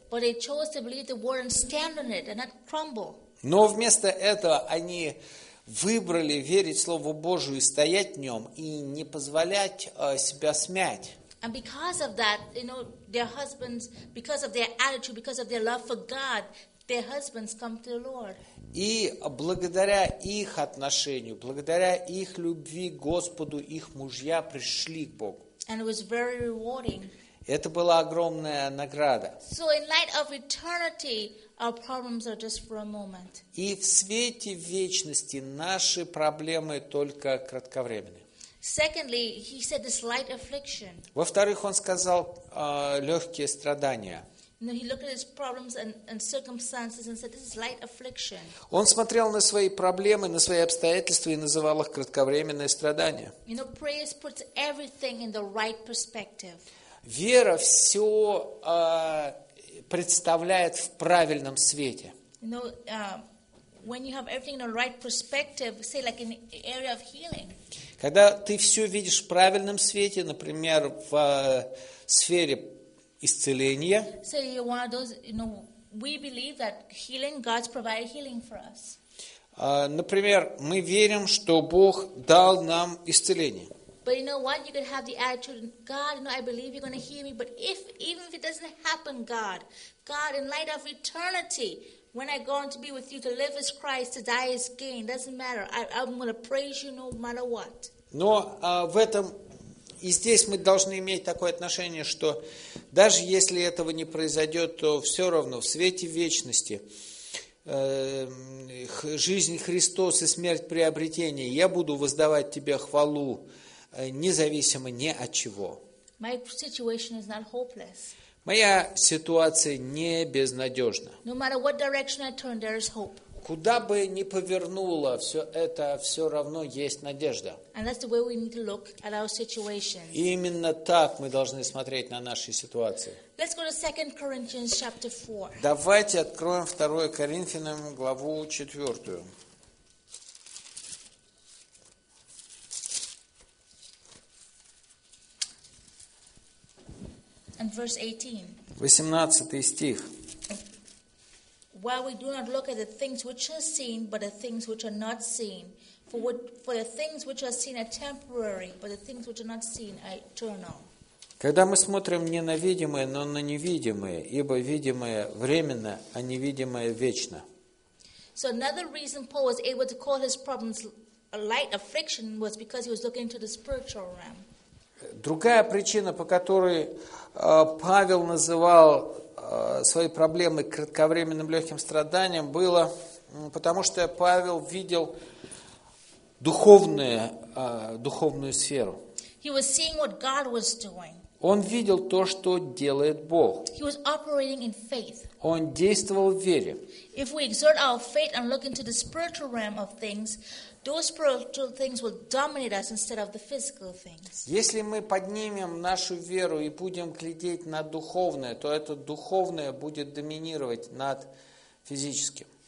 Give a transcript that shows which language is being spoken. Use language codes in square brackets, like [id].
[en] But they chose to believe the word and stand on it and not crumble. [ru] Но вместо этого они выбрали верить Слову Божию и стоять в нем, и не позволять себя смять. [en] And because of that, you know, their husbands, because of their attitude, because of their love for God, their husbands come to the Lord. [ru] И благодаря их отношению, благодаря их любви к Господу, их мужья пришли к Богу. [en] And it was very rewarding. [ru] Это была огромная награда. [en] So in light of eternity, our problems are just for a moment. [ru] И в свете вечности наши проблемы только кратковременные. [en] Secondly, he said this light affliction. [ru] Во-вторых, он сказал легкие страдания. [en] No, he looked at his problems and circumstances and said, "This is light affliction." [ru] Он смотрел на свои проблемы, на свои обстоятельства и называл их кратковременное страдание. [en] You know, prayer puts everything in the right perspective. [ru] Вера все представляет в правильном свете. [en] You know, when you have everything in the right perspective, say like in the area of healing. [ru] Когда ты все видишь в правильном свете, например, в сфере исцеление. [en] So you're one of those, you know, we believe that healing, God's provided healing for us. [ru] Например, мы верим, что Бог дал нам исцеление. [en] But you know what? You could have the attitude, God, you know, I believe you're going to heal me. But even if it doesn't happen, God, in light of eternity, when I go on to be with you, to live is Christ, to die is gain. Doesn't matter. I'm going to praise you no matter what. [ru] Но в этом и здесь мы должны иметь такое отношение, что даже если этого не произойдет, то все равно в свете вечности жизнь Христос и смерть приобретения, я буду воздавать тебе хвалу независимо ни от чего. [en] My situation is not hopeless. [ru] Моя ситуация не безнадежна. [en] No matter what direction I turn, there is hope. [ru] Куда бы ни повернуло все это, все равно есть надежда. [en] And that's the way we need to look at our situation. [ru] И именно так мы должны смотреть на наши ситуации. [en] Let's go to 2 Corinthians chapter 4. [ru] Давайте откроем 2 Коринфянам главу 4. [en] And verse 18. [ru] 18 стих. [en] While we do not look at the things which are seen, but the things which are not seen. For the things which are seen are temporary, but the things which are not seen are eternal. [ru] Когда мы смотрим не на видимое, но на невидимое, ибо видимое временно, а невидимое вечно. [en] So another reason Paul was able to call his problems a light affliction was because he was looking into the spiritual realm. [ru] Другая причина, по которой Павел называл свои проблемы кратковременным легким страданием, было потому, что Павел видел духовную сферу. [en] He was seeing what God was doing. [ru] Он видел то, что делает Бог. [en] He was operating in faith. [ru] Он действовал в вере. [en] If we exert our faith and look into the spiritual realm of things, those spiritual things will dominate us instead of the physical things. [ru] Если мы поднимем нашу веру и будем глядеть на духовное, то это духовное будет доминировать над физическим.